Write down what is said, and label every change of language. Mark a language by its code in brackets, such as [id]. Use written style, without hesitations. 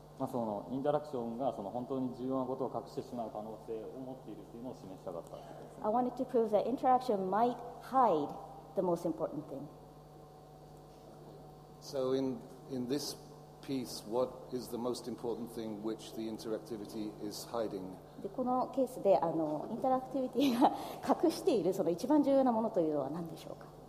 [ja] そのインタラクションが本当に重要なことを隠してしまう可能性を持っているというのを示したかったです。 [en] I wanted to prove that interaction might hide the most important thing. So in this piece, what is the most important thing which the interactivity is hiding? [ja] このケースでインタラクティビティが隠しているその一番重要なものというのは何でしょうか。